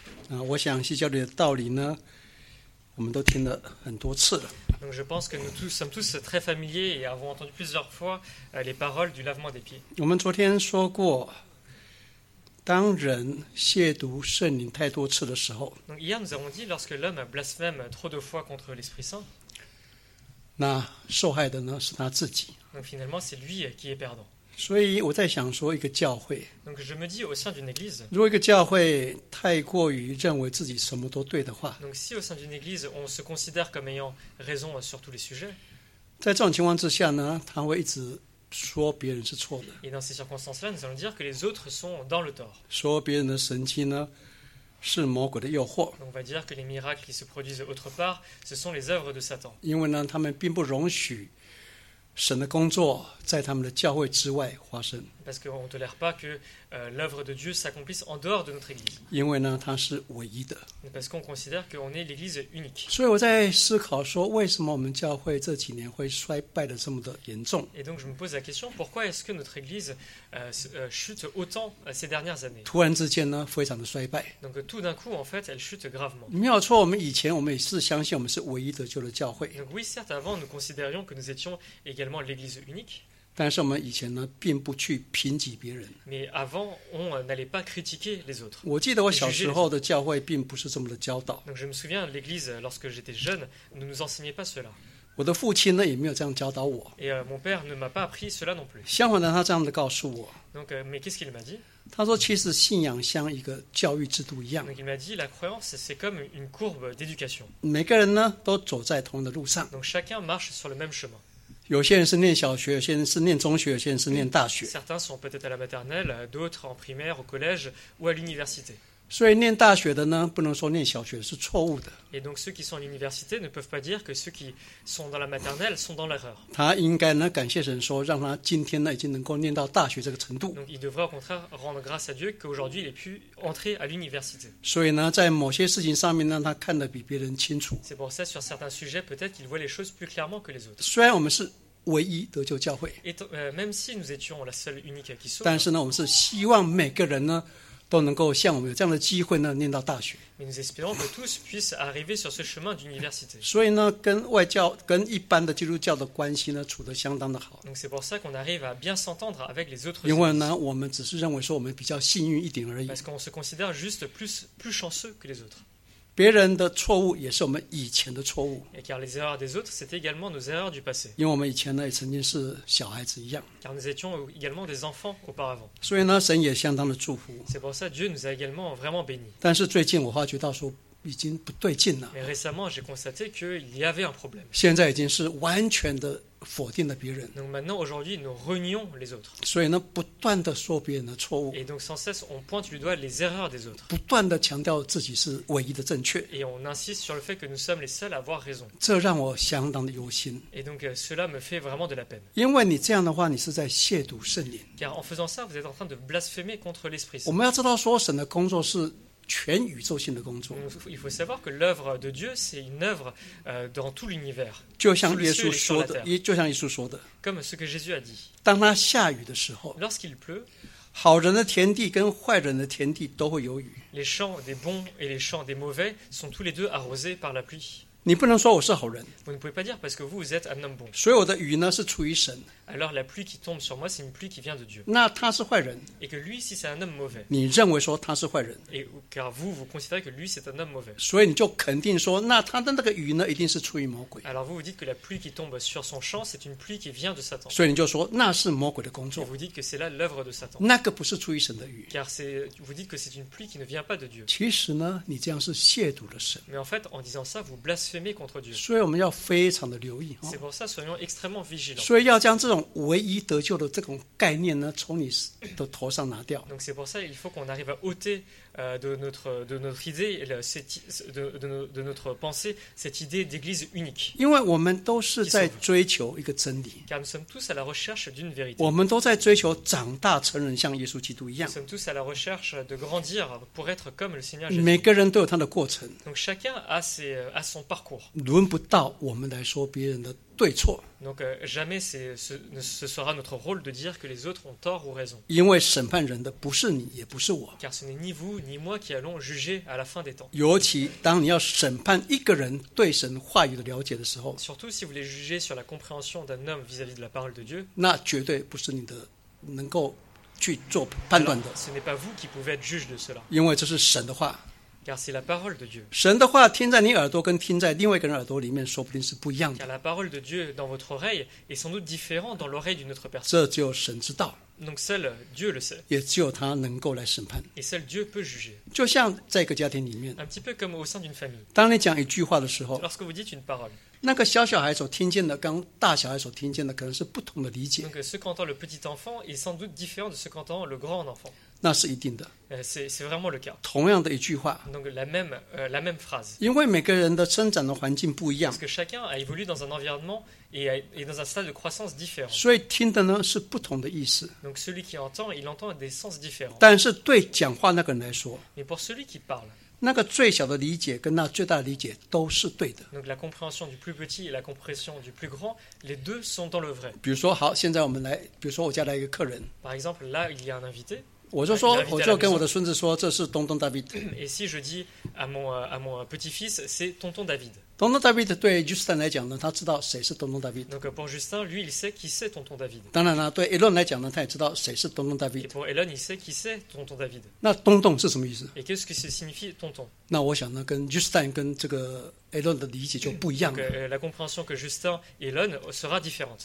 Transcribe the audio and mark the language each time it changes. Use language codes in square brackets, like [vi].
[zh] 我想西教里的道理呢，我们都听了很多次了。 [fr] Donc je pense que nous tous sommes tous très familiers et avons entendu plusieurs fois les paroles du lavement des pieds. [zh] 我们昨天说过，当人亵渎圣灵太多次的时候。 [fr] Donc hier nous avons dit lorsque l'homme blasphème trop de fois contre l'Esprit Saint. [zh] 那受害的呢是他自己。 [fr] Donc finalement c'est lui qui est perdant. [zh] 所以我在想说一个教会 [fr] Donc je me dis au sein d'une église, [zh] 如果一个教会太过于认为自己什么都对的话 [fr] Donc si au sein d'une église, on se considère comme ayant raison sur tous les sujets, [zh] 在这种情况之下呢他会一直说别人是错的 [fr] Et dans ces circonstances-là, nous allons dire que les autres sont dans le tort. [zh] 说别人的神迹呢是魔鬼的诱惑 [fr] Donc on va dire que les miracles qui se produisent autre part, ce sont les œuvres de Satan. [zh] 因为呢他们并不容许神的工作在他们的教会之外发生。 [fr] Parce qu'on ne tolère pas que l'œuvre de Dieu s'accomplisse en dehors de notre église. [zh] 因为呢，他是唯一的。 [fr] Parce qu'on considère qu'on est l'église unique. [zh] 所以我在思考说，为什么我们教会这几年会衰败的这么的严重 [fr] ？Et donc je me pose la question, pourquoi est-ce que notre église chute autant ces dernières années？ [zh] 突然之间呢，非常的衰败。 [fr] Donc tout d'un coup, en fait, elle chute gravement. [zh] 没有错，我们以前我们也是相信我们是唯一得救的教会。 [fr] Donc oui, certes, avant nous considérions que nous étions également l'église unique. [zh] 但是我们以前呢，并不去评级别人。 [fr] Mais avant, on n'allait pas critiquer les autres. [zh] 我记得我小时候的教会并不是这么的教导。 [fr] Donc je me souviens, l'église lorsque j'étais jeune, ne nous enseignait pas cela. [zh] 我的父亲呢，也没有这样教导我。 [fr] Et mon père ne m'a pas appris cela non plus. [zh] 相反的，他这样的告诉我。 [fr] Donc, mais qu'est-ce qu'il m'a dit? [zh] 他说，其实信仰像一个教育制度一样。 [fr] Donc il m'a dit, la croyance c'est comme une courbe d'éducation. [zh] 每个人呢，都走在同样的路上。 [fr] Donc chacun marche sur le même chemin. [zh] 有些人是念小学，有些人是念中学，有些人是念大学。 [fr] Certains sont peut-être à la maternelle, d'autres en primaire, au collège ou à l'université. [zh] 所以念大学的呢，不能说念小学是错误的。 [fr] Et donc ceux qui sont à l'université ne peuvent pas dire que ceux qui sont dans la maternelle sont dans l'erreur. [zh] 他应该呢感谢神说，让他今天呢已经能够念到大学这个程度。 [fr] Donc il devrait au contraire rendre grâce à Dieu qu'aujourd'hui il ait pu entrer à l'université. [zh] 所以呢，在某些事情上面呢，他看得比别人清楚。 [fr] C'est pour ça sur certains sujets peut-être qu'il voit les choses plus clairement que les autres. [zh] 虽然我们是唯一得救教会 [fr] Et, même si nous étions la seule unique qui sauve, [zh] 但是呢我们是希望每个人呢都能够像我们有这样的机会呢念到大学 [fr] Mais nous espérons que tous puissent arriver sur ce chemin d'université. [zh] 所以呢跟外教跟一般的基督教的关系呢处得相当的好 [fr] Donc c'est pour ça qu'on arrive à bien s'entendre avec les autres [zh] 因为呢我们只是认为说我们比较幸运一点而已 [fr] Parce qu'on se considère juste plus chanceux que les autres. [zh] 别人的错误也是我们以前的错误 [fr] Et car les erreurs des autres, c'est également nos erreurs du passé. [zh] 因为我们以前呢也曾经是小孩子一样 [fr] Car nous étions également des enfants auparavant. [zh] 所以呢神也相当的祝福 [fr] C'est pour ça Dieu nous a également vraiment bénis. [zh] 但是最近我发觉到说已经不对劲了 [fr] Mais récemment, j'ai constaté qu'il y avait un problème. [zh] 现在已经是完全的否定了别人 [fr] Donc maintenant, aujourd'hui, nous renions les autres. [zh] 所以呢不断的说别人的错误 [fr] Et donc sans cesse, on pointe du doigt les erreurs des autres. [zh] 不断的强调自己是唯一的正确 [fr] Et on insiste sur le fait que nous sommes les seuls à avoir raison. [zh] 这让我相当的忧心 [fr] Et donc cela me fait vraiment de la peine. [zh] 因为你这样的话你是在亵渎圣灵 [fr] Car en faisant ça, vous êtes en train de blasphémer contre l'Esprit [zh] Saint. 我们要知道说神的工作是全宇宙性的工作。 [fr] Il faut savoir que l'œuvre de Dieu, c'est une œuvre dans tout l'univers. [zh] 就像耶稣说的，就像耶稣说的。 [fr] Comme ce que Jésus a dit. [zh] 当他下雨的时候 [fr] ，Lorsqu'il pleut, [zh] 好人的田地跟坏人的田地都会有雨。 [fr] Les champs des bons et les champs des mauvais sont tous les deux arrosés par la pluie. [zh] 你不能说我是好人。 [fr] Vous ne pouvez pas dire parce que vous êtes un homme bon. [zh] 所以我的雨呢是出于神。 [fr] Alors la pluie qui tombe sur moi, c'est une pluie qui vient de Dieu. [zh] 那他是坏人。 [fr] Et que lui, si c'est un homme mauvais. [zh] 你认为说他是坏人。 [fr] Et car vous considérez que lui, c'est un homme mauvais. [zh] 所以你就肯定说，那他的那个雨呢，一定是出于魔鬼。 [fr] Alors vous dites que la pluie qui tombe sur son champ, c'est une pluie qui vient de Satan. [zh] 所以你就说那是魔鬼的工作。 [fr] Et vous dites que c'est là l'œuvre de Satan. [zh] 那个不是出于神的雨。 [fr] Car vous dites que c'est une pluie qui ne vient pas de Dieu. [zh] 其实呢，你这样是亵渎了神。 [fr] Mais en fait, en disant ça, vous blasphémez contre Dieu. [zh] 所以我们要非常的留意。 [fr] C'est pour ça, soyons extrêmement vigilants. [zh] 所以要将这种唯一得救的这种概念呢，从你的头上拿掉。 [fr] Donc c'est pour ça, il faut qu'on arrive à ôter de notre idée, de notre pensée, cette idée d'église unique. [zh] 因为我们都是在追求一个真理。 [fr] Car nous sommes tous à la recherche d'une vérité. [zh] 我们都在追求长大成人，像耶稣基督一样。 [fr] Nous sommes tous à la recherche de grandir pour être comme le Seigneur Jésus. [zh] 每个人都有他的过程。 [fr] Donc chacun a son parcours. [zh] 轮不到我们来说别人的对错。 [fr] Donc jamais ce sera notre rôle de dire que les autres ont tort ou raison. [zh] 因为审判人的不是你，也不是我。 [fr] Car ce n'est ni vous ni moi qui allons juger à la fin des temps. [zh] 尤其当你要审判一个人对神话语的了解的时候。 [fr] Surtout si vous voulez juger sur la compréhension d'un homme vis-à-vis de la parole de Dieu. [zh] 那绝对不是你的能够去做判断的。 [fr] Ce n'est pas vous qui pouvez être juge de cela. [zh] 因为这是神的话。 [fr] Car c'est la parole de Dieu. [zh] 神的话听在你耳朵跟听在另外一个人耳朵里面说不定是不一样的。 [fr] Car la parole de Dieu dans votre oreille est sans doute différente dans l'oreille d'une autre personne. [zh] 这就神知道。 [fr] Donc seul Dieu le sait. [zh] 也只有他能够来审判。 [fr] Et seul Dieu peut juger. [zh] 就像在一个家庭里面。 [fr] Un petit peu comme au sein d'une famille. [zh] 当你讲一句话的时候。 [fr] Lorsque vous dites une parole. [zh] 那个小小孩所听见的跟大小孩所听见的可能是不同的理解。 [fr] Donc, ce qu'entend le petit enfant est sans doute différent de ce qu'entend le grand enfant. [zh] 那是一定的。 [fr] C'est vraiment le cas. [zh] 同样的一句话。 [fr] Donc, la même phrase. [zh] 因为每个人的生长的环境不一样。 [fr] Parce que chacun a évolué dans un environnement et dans un stade de croissance différent. [zh] 所以听的呢是不同的意思。 [fr] Donc, celui qui entend, il entend des sens différents. [zh] 但是对讲话那个人来说。 [fr] Mais pour celui qui parle. [zh] 那个最小的理解跟那最大的理解都是对的。 [fr] Donc la compréhension du plus petit et la compréhension du plus grand, les deux sont dans le vrai. [zh] 比如说，好，现在我们来，比如说我家来一个客人。 [fr] Par exemple, là il y a un invité. [zh] 我就说，我就跟我的孙子说，这是东东 David。 [fr] Et si je dis à mon petit-fils, c'est tonton David. [zh] 东东 David 对 Justin 来讲呢，他知道谁是东东 David。 [fr] Donc pour Justin, lui il sait qui c'est tonton David. [zh] 当然了，对 Elon 来讲呢，他也知道谁是东东 David。 [fr] Et pour Elon, il sait qui c'est tonton David. [zh] 那东东是什么意思 [fr] ？Et qu'est-ce que ça signifie tonton？ [zh] 那我想呢，跟 Justin 跟这个 Elon 的理解就不一样了。 [fr] Donc, la compréhension que Justin et Elon sera différente.